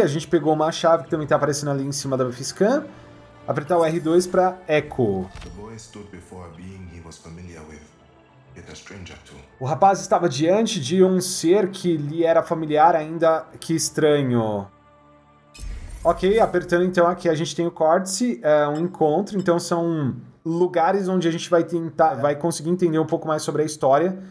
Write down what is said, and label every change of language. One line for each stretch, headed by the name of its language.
Portuguese: A gente pegou uma chave que também está aparecendo ali em cima da Fiscan. Apertar o R2 para Echo.
English: The boy stood before a being he was familiar with. A stranger too.
Portuguese: O rapaz estava diante de um ser que lhe era familiar ainda. Que estranho. Ok, apertando então aqui, a gente tem o Córdice, é um encontro. Então são lugares onde a gente vai tentar, vai conseguir entender um pouco mais sobre a história.